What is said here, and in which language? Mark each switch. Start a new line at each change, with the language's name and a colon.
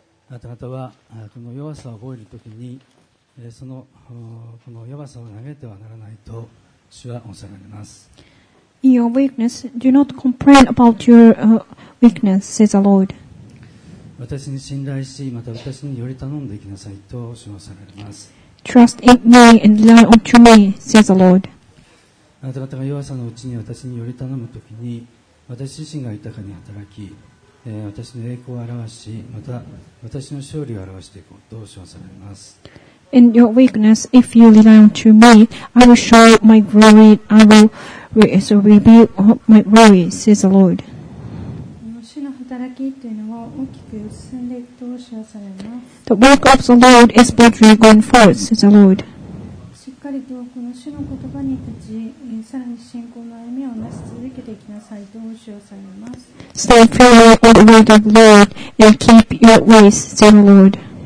Japanese: あなたはこの弱さを覚えるときに、そのこの弱さを嘆いてはならないと主は仰せられます。
English: In your weakness, do not complain about your weakness, says the Lord.
Japanese: 私に信頼し、また私により頼んでいきなさいと主は仰せられます。
English: Trust in me and rely onto me, says the Lord.
Japanese: あなた方が弱さのうちに私により頼むときに、私自身が豊かに働き、私の栄光を表し、また私の勝利を表していこうと称されます。
English: In your weakness, if you rely on to me, I will show my glory, I will reveal my glory, says the Lord.
Japanese: 主の働きというのは大きく進んでいくと称されます。
English: The work of the Lord is boldly going forth, says the Lord.
Japanese: しっかりとこの主の言葉に立ち、さらに信仰の歩みを成し続けていきなさいと称されます。
English: Stay firmly on the word of the Lord and keep your ways, say the Lord.